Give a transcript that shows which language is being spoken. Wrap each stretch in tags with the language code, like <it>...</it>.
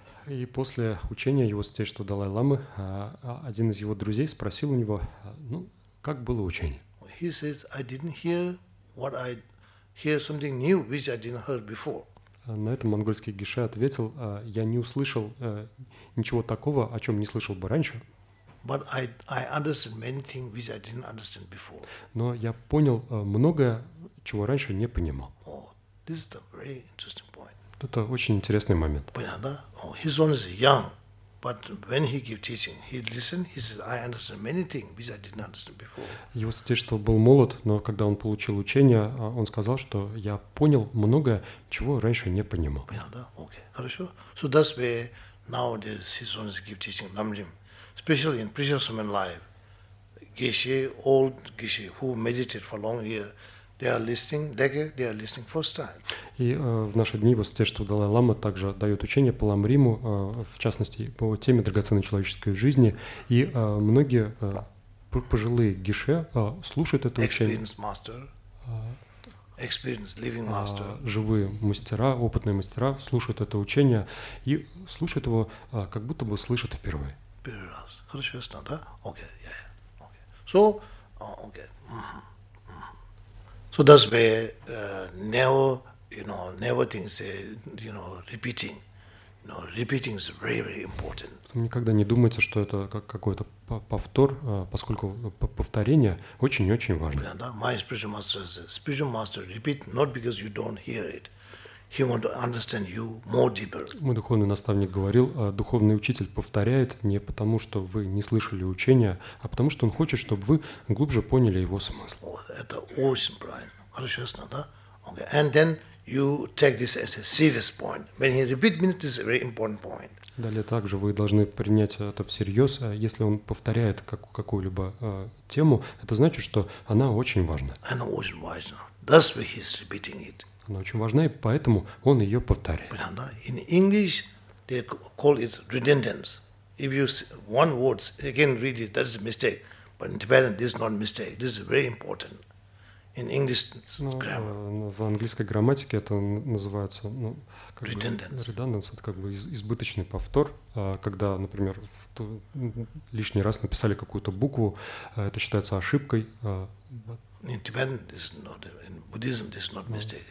<ru>И после учения его святейшества Далай-ламы, один из его друзей спросил у него, ну, как было учение?</ru> <en>He says, I didn't hear what I hear something new, which I didn't heard before.</en> <ru>На это монгольский геше ответил, я не услышал ничего такого, о чем не слышал бы раньше.</ru> <en>But I understand many things, which I didn't understand before.</en> <ru>Но я понял многое, чего раньше не понимал.</ru> <en>Oh, this is a very interesting point.</en> <ru>Это очень интересный момент. Понятно?</ru> <en>His son is young, but when he give teaching, he listen, he says, I understand many things, which I didn't understand before.</en> <ru>Его святейшество был молод, но когда он получил учение, он сказал, что я понял многое, чего раньше не понимал. Понятно? Okay. Хорошо.</ru> <en>So that's where nowadays his son is give teaching, namrim. Especially in precious human life, Geshe, old Geshe, who meditate for long year, they are listening, they are listening first time.</en> <ru>И в наши дни его святейшество Далай-лама также дает учение по ламриму, в частности, по теме драгоценной человеческой жизни. И многие пожилые геше слушают это учение.</ru> <en>Experienced master, experienced living master.</en> <ru>Живые мастера, опытные мастера слушают это учение и слушают его, как будто бы слышат впервые. Первый раз. Хорошо, ясно, да? Okay, yeah. Okay.</ru> <en>So, okay. So that's why never things repeating. No, repeating is very, very important.</en> <ru>Никогда не думайте, что это как какой-то повтор, поскольку повторение очень и очень важно.</ru> <en>Yeah, my spiritual master repeat not because you don't hear it. He want to understand you more deeper.</en> <ru>Мой духовный наставник говорил, духовный учитель повторяет не потому, что вы не слышали учения, а потому, что он хочет, чтобы вы глубже поняли его смысл. Это очень правильно. Хорошо, ясно, да? Okay.</ru> <en>And then you take this as a serious point. When he repeat means this is a very important point.</en> <ru>Далее также вы должны принять это всерьез. Если он повторяет какую-либо тему, это значит, что она очень важна. Она очень важна.</ru> <en>That's why he's repeating it.</en> <ru>Она очень важна, и поэтому он ее повторяет.</ru> <en>But in English they call it redundance. If you one words again read it, that is a mistake. But in Tibetan this is not a mistake. This is very important. In English grammar.</en> <ru>В английской грамматике это называется redundance, это как бы избыточный повтор. Когда, например, лишний раз написали какую-то букву, это считается ошибкой.</ru> <en>In Tibetan, this is not. In Buddhism, this is not mistake.</en>